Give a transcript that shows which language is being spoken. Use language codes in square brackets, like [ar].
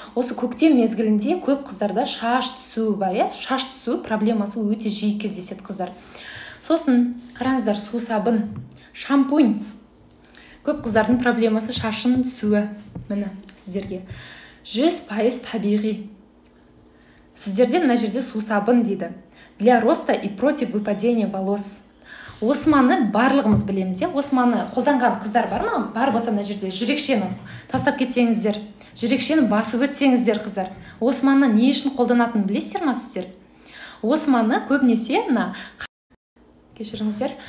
[kk] Осы көктем мезгілінде көп қыздарда шаш түсуі бар, шаш түсуі проблемасы өте жиі кездеседі қыздар. Сосын қараңыздар, сусабын, шампунь. Көп қыздардың проблемасы шашын түсуі. Міне сіздерге 100% табиғи. Сіздерде мына жерде сусабын дейді. [ru] Для роста и против выпадения волос. [kk] Османы барлығымыз білеміз, Османы қолданған қыздар бар ма? Бар болса мына жерде жүрекшені тастап кетсеңіздер, жүрекшені басып өтсеңіздер қыздар. Османы не үшін қолданатынын білесіздер ма сіздер? Османы көбінесе мына кешіріңіздер.